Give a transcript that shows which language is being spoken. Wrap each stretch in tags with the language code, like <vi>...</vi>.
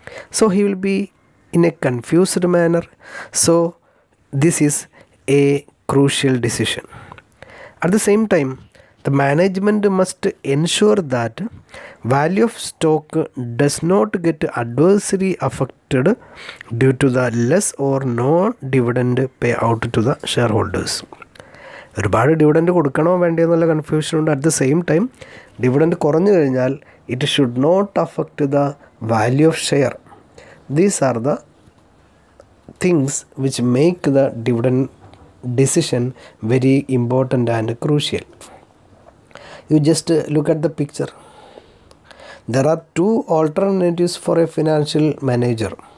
<en>So he will be in a confused manner. So this is a crucial decision. At the same time, the management must ensure that value of stock does not get adversely affected due to the less or no dividend payout to the shareholders.</en> <ml>ഒരുപാട് dividend കൊടുക്കണോ വേണ്ടോ എന്നുള്ള confusion ഉണ്ട്.</ml> <en>at the same time</en> <ml>dividend കുറഞ്ഞു കഴിഞ്ഞാൽ</ml> <en>It should not affect the value of share. These are the things which make the dividend decision very important and crucial. You just look at the picture. There are two alternatives for a financial manager.</en>